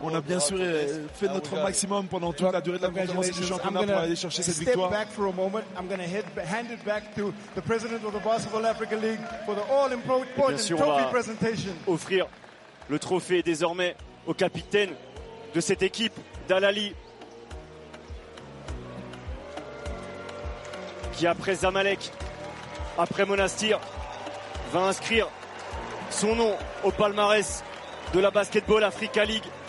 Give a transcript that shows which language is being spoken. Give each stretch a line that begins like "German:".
French: on a bien sûr fait notre maximum pendant toute la durée de la conférence du championnat pour aller chercher cette victoire.
English: I'm going to step back for a moment. I'm going to hand it back to the president of the Basketball Africa League for the all important trophy presentation.
French: Offrir le trophée désormais au capitaine de cette équipe d'Al Ahly. Qui après Zamalek, après Monastir, va inscrire son nom au palmarès de la Basketball Africa League.